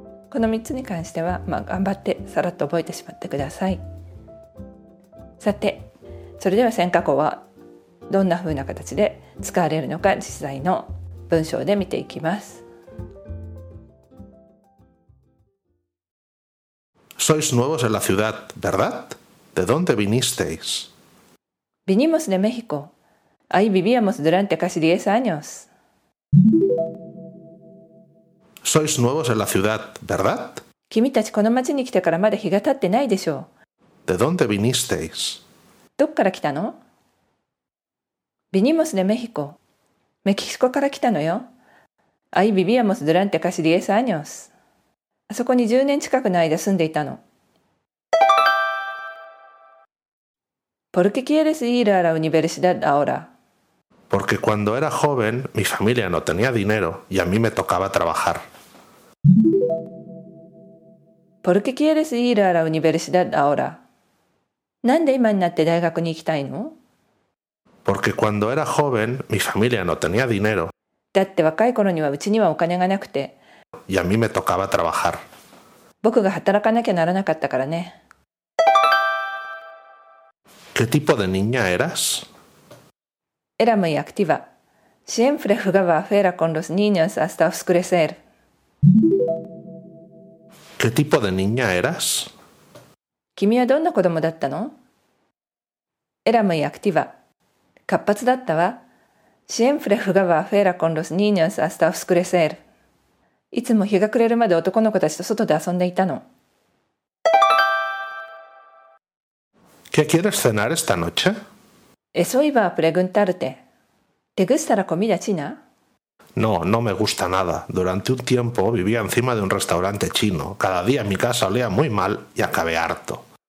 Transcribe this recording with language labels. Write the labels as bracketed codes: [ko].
[ja] この3つに関しては、頑張ってさらっと覚えてしまってください。さて、それでは尖閣語はどんなふうな形で使われるのか、実際の文章で見ていきます。 [es] Sois nuevos en la ciudad, ¿verdad? ¿De dónde vinisteis? Vinimos de México. Ahí vivíamos durante casi 10 años. Sois nuevos en la ciudad, ¿verdad? [ja] 君たちこの町に来てからまだ日が経ってないでしょう。 [es] ¿De dónde vinisteis? [ja] どっから来たの？ [es] Vinimos de México. [ja] メキシコから来たのよ。 [es] Ahí vivíamos durante casi 10 años. [ja] あそこに10年近くの間住んでいたの。 [es] ¿Por qué quieres ir a la universidad ahora? Porque cuando era joven, mi familia no tenía dinero y a mí me tocaba trabajar. ¿Por qué quieres ir a la universidad ahora? [ja] ¿Nan de 今になって大学に行きたいの? [es] Porque cuando era joven, mi familia no tenía dinero. [ja] だって若い頃にはうちにはお金がなくて。 [es] Y a mí me tocaba trabajar. [ja] 僕が働かなきゃならなかったからね。 [es] ¿Qué tipo de niña eras? Era muy activa. Siempre jugaba afuera con los niños hasta oscurecer. ¿Qué tipo de niña eras? [ja] 君はどんな子供だったの? [es] Era muy activa. [ja] 活発だったわ。 [es] Siempre jugaba afuera con los niños hasta oscurecer. [ja] いつも日が暮れるまで男の子たちと外で遊んでいたの。 [es] ¿Qué quieres cenar esta noche? Eso iba a preguntarte. ¿Te gusta la comida china? No, no me gusta nada. Durante un tiempo vivía encima de un restaurante chino. Cada día mi casa olía muy mal y acabé harto.